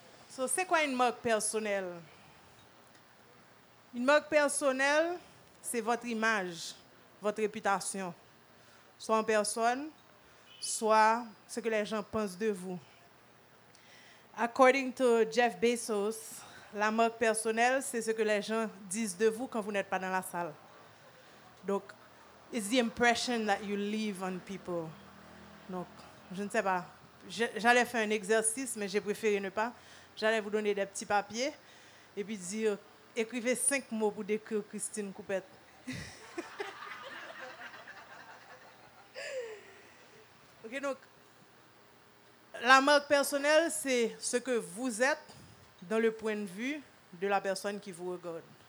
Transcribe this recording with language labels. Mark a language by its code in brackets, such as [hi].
[fr] So, c'est quoi une marque personnelle? Une marque personnelle, c'est votre image, votre réputation. Soit en personne, soit ce que les gens pensent de vous. [en] According to Jeff Bezos, [fr] la marque personnelle, c'est ce que les gens disent de vous quand vous n'êtes pas dans la salle. [en] Donc, it's the impression that you leave on people. [fr] Donc, je ne sais pas. J'allais faire un exercice, mais j'ai préféré ne pas. J'allais vous donner des petits papiers et puis dire, écrivez cinq mots pour décrire Christine Coupette. OK, donc, la marque personnelle, c'est ce que vous êtes dans le point de vue de la personne qui vous regarde.